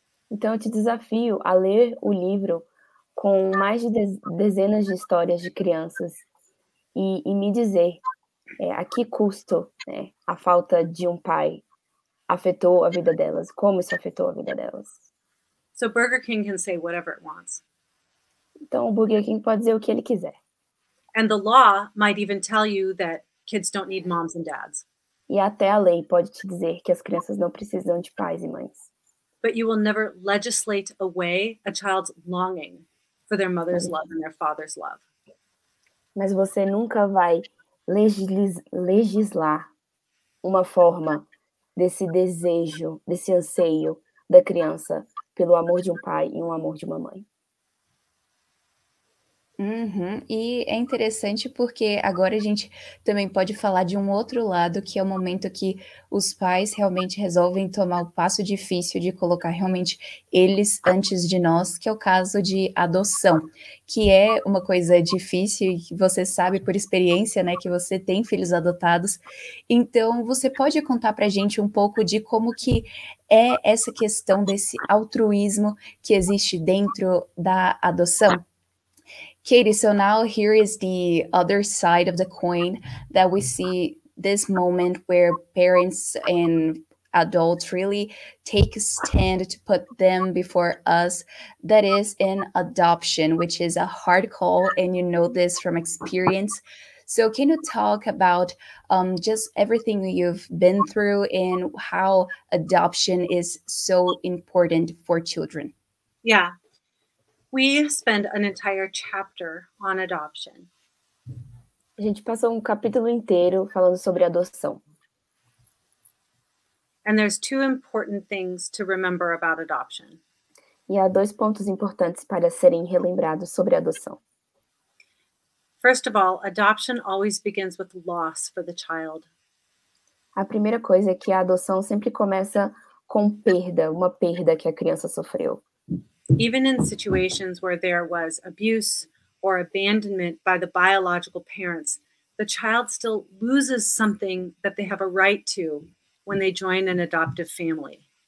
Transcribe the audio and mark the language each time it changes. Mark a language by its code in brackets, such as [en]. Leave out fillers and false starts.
[pt] Então eu te desafio a ler o livro com mais de dezenas de histórias de crianças e me dizer a que custo, né, a falta de um pai afetou a vida delas, como isso afetou a vida delas. [en] So Burger King can say whatever it wants. [pt] Então o Burger King pode dizer o que ele quiser. [en] And the law might even tell you that kids don't need moms and dads. [pt] E até a lei pode te dizer que as crianças não precisam de pais e mães. [en] But you will never legislate away a child's longing for their mother's love and their father's love. [pt] Mas você nunca vai legislar uma forma desse desejo, desse anseio da criança pelo amor de um pai e um amor de uma mãe. Uhum. E é interessante porque agora a gente também pode falar de um outro lado, que é o momento que os pais realmente resolvem tomar o passo difícil de colocar realmente eles antes de nós, que é o caso de adoção, que é uma coisa difícil e você sabe por experiência, né, que você tem filhos adotados. Então você pode contar pra gente um pouco de como que é essa questão desse altruísmo que existe dentro da adoção? [en] Katie, so now here is the other side of the coin that we see this moment where parents and adults really take a stand to put them before us, that is in adoption, which is a hard call, and you know this from experience. So can you talk about just everything you've been through and how adoption is so important for children? Yeah. We spend an entire chapter on adoption. [pt] A gente passou um capítulo inteiro falando sobre adoção. [en] And there's two important things to remember about adoption. [pt] E há dois pontos importantes para serem relembrados sobre adoção. [en] First of all, adoption always begins with loss for the child. [pt] A primeira coisa é que a adoção sempre começa com perda, uma perda que a criança sofreu. [en] Even in situations where there was abuse or abandonment by the biological parents, the child still loses something that they have a right to when they join an adoptive family.